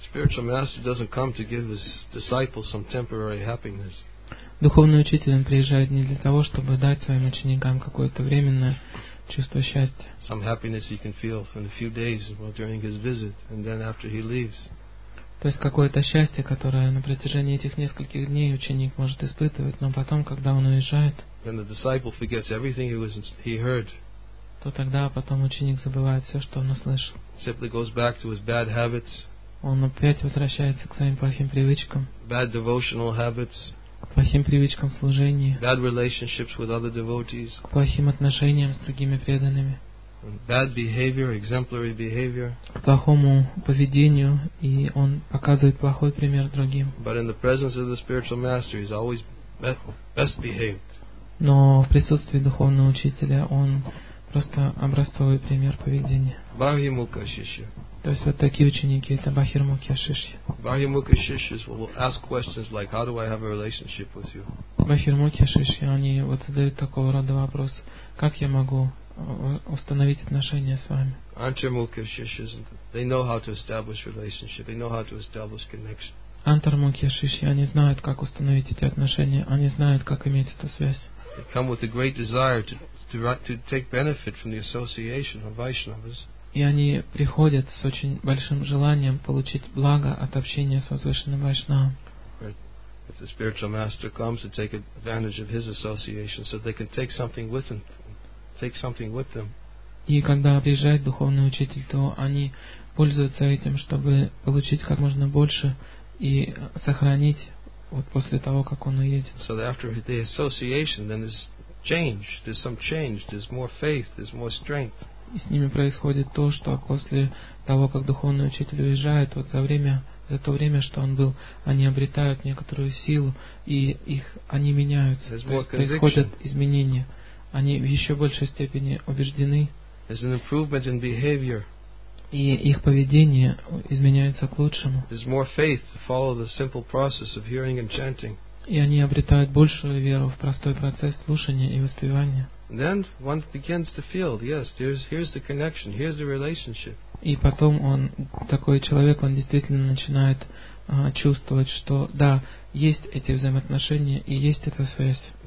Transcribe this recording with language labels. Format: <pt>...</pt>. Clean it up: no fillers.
<en>Spiritual master doesn't come to give his disciples some temporary happiness.</en> <ru>Духовный учитель приезжает не для того, чтобы дать своим ученикам какое-то временное чувство счастья.</ru> <en>Some happiness he can feel in a few days during his visit, and then after he leaves.</en> <ru>То есть какое-то счастье, которое на протяжении этих нескольких дней ученик может испытывать, но потом, когда он уезжает,</ru> <en>then the disciple forgets everything he heard.</en> <ru>То тогда потом ученик забывает все, что он услышал.</ru> <en>Simply goes back to his bad habits.</en> <ru>Он опять возвращается к своим плохим привычкам.</ru> <en>Bad devotional habits.</en> <ru>Плохим привычкам служения.</ru> <en>Bad relationships with other devotees.</en> <ru>Плохим отношениям с другими преданными.</ru> <en>Bad behavior, exemplary behavior.</en> <ru>Плохому поведению, и он показывает плохой пример другим.</ru> <en>But in the presence of the spiritual master, he's always best behaved.</en> <ru>Но в присутствии духовного учителя он просто образцовый пример поведения. Бахирмукха Шишья. То есть вот такие ученики это Бахирмукхи Шишья.</ru> <en>Бахирмукха Шишья will ask questions like, how do I have a relationship with you?</en> <ru>Бахирмукхи Шишья, они вот задают такого рода вопрос: как я могу установить отношения с вами?</ru> <en>Antarmukha Shishyas, they know how to establish relationship, they know how to establish connection.</en> <ru>Antarmukha Shishyas, они знают, как установить эти отношения, они знают, как иметь эту связь.</ru> <en>They come with a great desire to take benefit from the association of Vaishnavas.</en> <ru>И они приходят с очень большим желанием получить благо от общения с возвышенным Вайшнавом.</ru> <en>If the spiritual master comes to take advantage of his association, so they can take something with them. Take something with them.</en> <ru>И когда приезжает духовный учитель, то они пользуются этим, чтобы получить как можно больше и сохранить вот после того, как он уедет.</ru> <en>So after the association, then there's change. There's some change. There's more faith. There's more strength.</en> <ru>И с ними происходит то, что после того, как духовный учитель уезжает, вот за то время, что он был, они обретают некоторую силу и они меняются.</ru> <en>There's more conviction.</en> <ru>То есть происходят изменения. Они в еще большей степени убеждены.</ru> <en>There's an improvement in behavior.</en> <ru>И их поведение изменяется к лучшему.</ru> <en>There's more faith to follow the simple process of hearing and chanting.</en> <ru>И они обретают большую веру в простой процесс слушания и воспевания.</ru> <en>Then one begins to feel, yes, here's the connection, here's the relationship.</en> <ru>И потом он, такой человек, он действительно начинает чувствовать, что да, есть эти взаимоотношения и есть эта связь.</ru>